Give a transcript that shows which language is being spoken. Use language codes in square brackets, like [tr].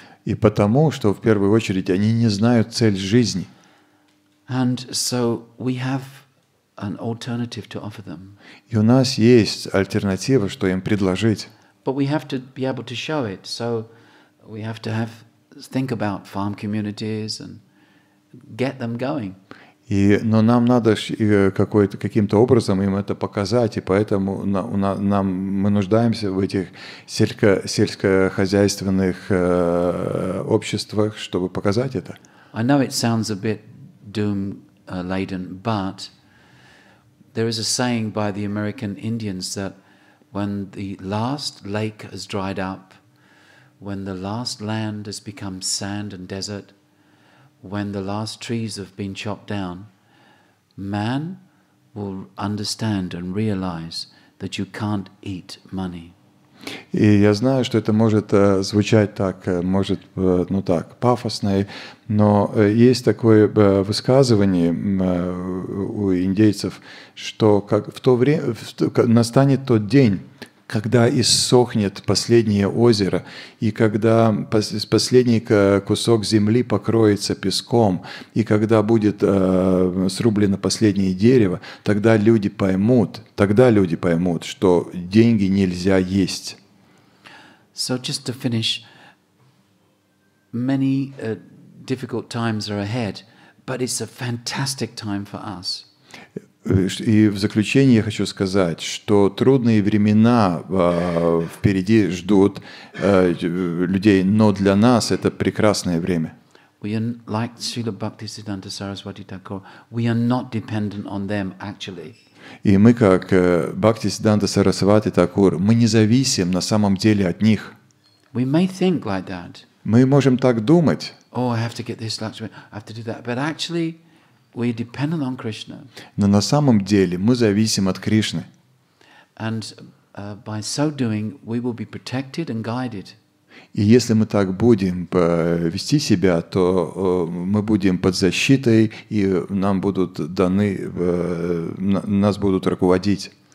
[ru] И потому, что в первую очередь они не знают цель жизни. [en] And so we have an alternative to offer them. [ru] И у нас есть альтернатива, что им предложить. [en] But we have to be able to show it, so we have to think about farm communities and get them going. [ru] И, но нам надо каким-то образом им это показать, и поэтому мы нуждаемся в этих сельскохозяйственных обществах, чтобы показать это. [en] I know it sounds a bit doom-laden, but there is a saying by the American Indians that when the last lake has dried up, when the last land has become sand and desert, when the last trees have been chopped down, man will understand and realize that you can't eat money. [ru] И я знаю, что это может звучать так, может, ну так, пафосно, но есть такое высказывание у индейцев, что как в то время настанет тот день, когда иссохнет последнее озеро, и когда последний кусок земли покроется песком, и когда будет срублено последнее дерево, тогда люди поймут, что деньги нельзя есть. [en] So just to finish, many difficult times are ahead, but it's a fantastic time for us. [ru] И в заключение я хочу сказать, что трудные времена впереди ждут людей, но для нас это прекрасное время. [en] We are like Srila Bhaktisiddhanta Saraswati Thakur, we are not dependent on them actually. [ru] И мы как Бхактисиддханта Сарасвати Такур, мы не зависим на самом деле от них. [en] We may think like that. [ru] Мы можем так думать. [en] Oh, I have to get this luxury, I have to do that. But actually, we are dependent on Krishna. [ru] Но на самом деле мы зависим от Кришны. [en] And by so doing, we will be protected and guided. [ru] И если мы так будем вести себя, то мы будем под защитой, и нам будут даны, нас будут руководить.